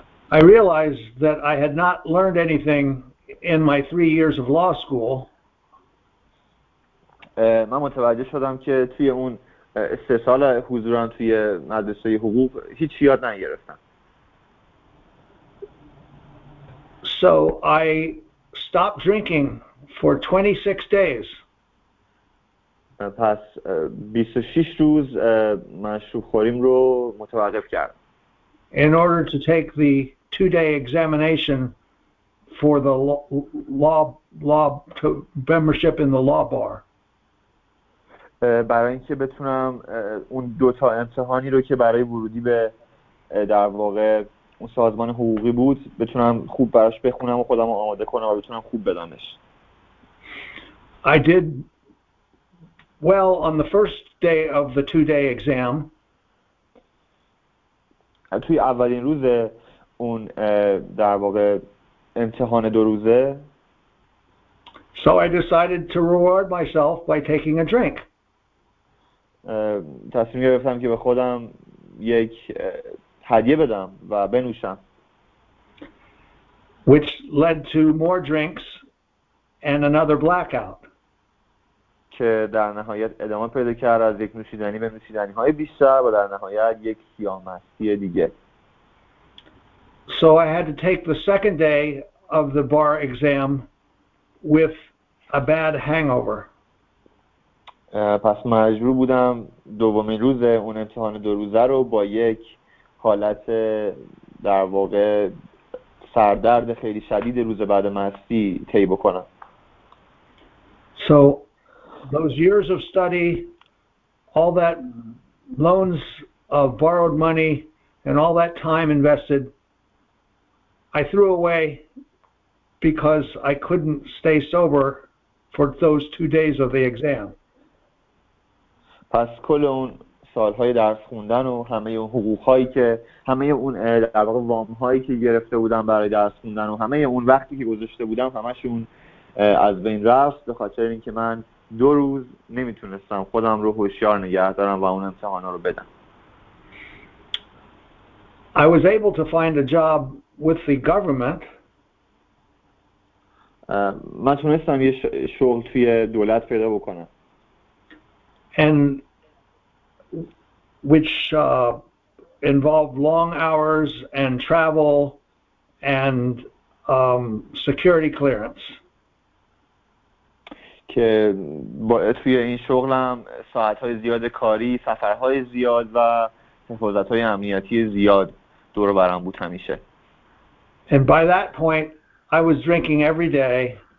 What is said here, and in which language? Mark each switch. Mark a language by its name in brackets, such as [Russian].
[English] I realized that I had not learned anything in my 3 years of law school. [Persian] من متوجه شدم که توی اون 3 سال حضورم توی مدرسه حقوق هیچ یاد نگرفتم. [English] So I stopped drinking for 26 days. [Persian] پس 26 روز مشروب خوریم رو متوقف کردم. [English] In order to take the 2-day examination for the law to membership in the law bar. [Persian] برای اینکه بتونم اون دو تا امتحانی رو که برای ورودی به در واقع اون سازمان حقوقی بود بتونم خوب براش بخونم و خودم رو آماده کنم و بتونم خوب بدمش. [English] I did well on the first day of the 2-day exam. [Persian] توی اولین روز اون در واقع امتحان دو روزه. [English] So I decided to reward myself by taking a drink. [Persian] تصمیم گرفتم که به خودم یک هدیه بدم و بنوشم. [English] Which led to more drinks and another blackout. [Persian] که در نهایت ادامه پیدا کرد از یک نوشیدنی به نوشیدنی‌های بیشتر و در نهایت یک سیاه‌مستی دیگه. [English] So I had to take the second day of the bar exam with a bad hangover. [Persian] پس مجبور بودم دومین روز اون امتحان دو روزه رو با یک حالت در واقع سردرد خیلی شدید روز بعد مستی طی بکنم. [English] So those years of study, all that loans of borrowed money and all that time invested, I threw away because I couldn't stay sober for those 2 days of the exam. [Persian] پس کل اون سالهای درس خوندن و همه اون حقوقهایی که همه اون در واقع وامهایی که گرفته بودم برای درس خوندن و همه اون وقتی که گذاشته بودم همشون از بین رفت به خاطر اینکه من 2 روز نمیتونستم خودم رو هوشیار نگه دارم و اون امتحانا رو بدم. [English] I was able to find a job with the government. [Persian] من تونستم یه شغل توی دولت پیدا بکنم. [English] And which involved long hours and travel and security clearance. [Persian] که توی این شغلم ساعت‌های زیاد کاری، سفرهای زیاد و حفاظت‌های امنیتی زیاد دور و برم بود همیشه. [English] And by that point, I was drinking every day.